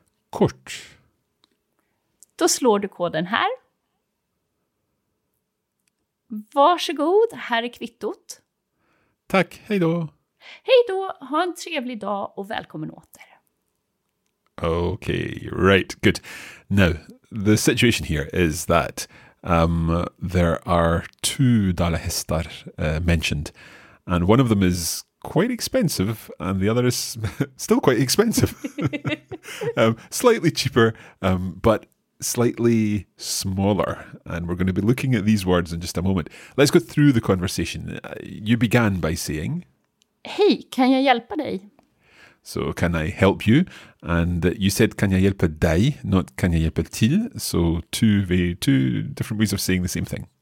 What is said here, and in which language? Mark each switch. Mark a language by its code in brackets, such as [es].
[sv] Kort. Då slår du koden här. Varsågod. Här är kvittot. Tack. Hej då. Hej då. Ha en trevlig dag och välkommen åter. [en] Okay, right, good. Now, the situation here is that there are two dalahästar mentioned, and one of them is quite expensive, and the other is still quite expensive. slightly cheaper, but slightly smaller. And we're going to be looking at these words in just a moment. Let's go through the conversation. You began by saying... [sv] Hey, kan jag hjälpa dig? [en] So, can I help you? And you said, [sv] kan jag hjälpa dig, [en] not [sv] kan jag hjälpa till. [en] So, two different ways of saying the same thing.